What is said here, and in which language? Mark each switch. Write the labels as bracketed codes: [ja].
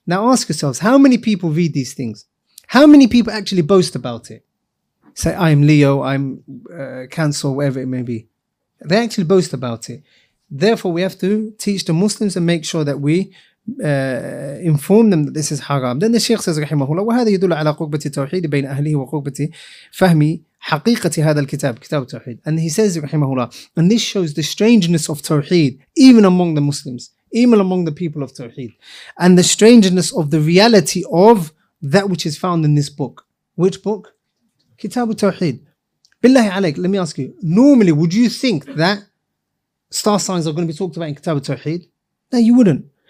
[en] Now ask yourselves, how many people read these things? How many people actually boast about it? Say, I'm Leo, I'm Cancer, whatever it may be. They actually boast about it. Therefore, we have to teach the Muslims and make sure that we inform them that this is haram. Then the Sheikh says, [ar] رَحِمَهُ وَهَذَا يَدُلُ عَلَى قُرْبَةِ التَّوْحِيدِ بَيْنَ أَهْلِهِ وَقُرْبَةِ فَهْمِ حَقِيقَةِ هَذَا الْكِتَابِ كِتَابُ التَّوْحِيدِ. [en] And he says, [ar] رَحِمَهُ, [en] and this shows the strangeness of Tawheed, even among the Muslims, even among the people of Tawheed, and the strangeness of the reality of that which is found in this book. Which book? [ar] كِتَابُ التَّوْحِيدِ. Billahi alaik, [en] let me ask you, normally would you think that star signs are going to be talked about in Kitab al-Tawheed? No, you wouldn't.